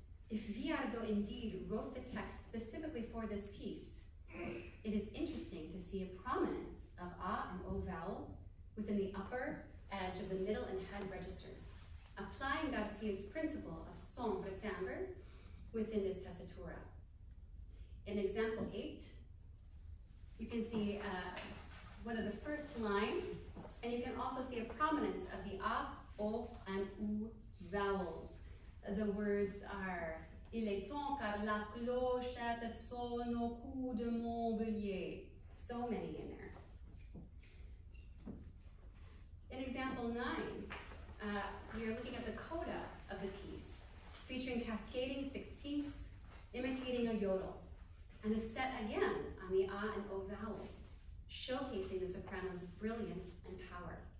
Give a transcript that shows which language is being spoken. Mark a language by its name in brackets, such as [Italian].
[English] If Viardot indeed wrote the text specifically for this piece, it is interesting to see a prominence of A and O vowels within the upper edge of the middle and head registers, applying Garcia's principle of sombre timbre within this tessitura. In example 8, you can see one of the first lines, and you can also see a prominence of the A, O, and U vowels. The words are, [French] il est temps car la clochette sonne au coup de Montpellier. [English] So many in there. In example 9, we are looking at the coda of the piece, featuring cascading sixteenths, imitating a yodel, and is set again on the A and O vowels, showcasing the soprano's brilliance and power.